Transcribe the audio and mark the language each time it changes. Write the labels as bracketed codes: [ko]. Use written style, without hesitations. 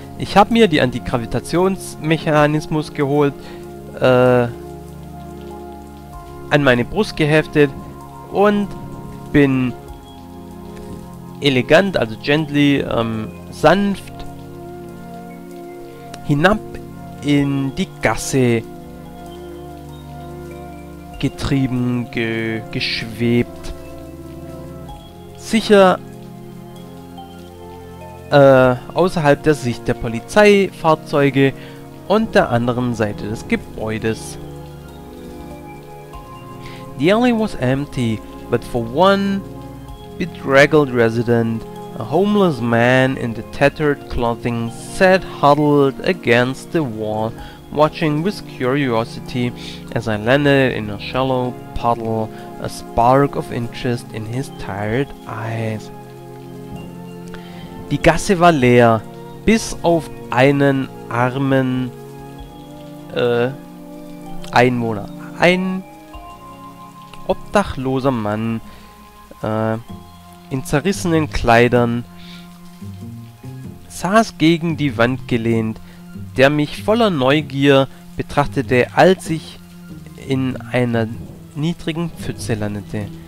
[de] Ich habe mir die Antigravitationsmechanismus geholt, an meine Brust geheftet und bin elegant, also gently, sanft hinab in die Gasse getrieben, geschwebt. Sicher außerhalb der Sicht der Polizeifahrzeuge und der anderen Seite des Gebäudes. [en] The alley was empty, but for one bedraggled resident, a homeless man in the tattered clothing, sat huddled against the wall, watching with curiosity as I landed in a shallow puddle, a spark of interest in his tired eyes. [de] Die Gasse war leer, bis auf einen armen Einwohner. Ein obdachloser Mann in zerrissenen Kleidern saß gegen die Wand gelehnt, der mich voller Neugier betrachtete, als ich in einer niedrigen Pfütze landete.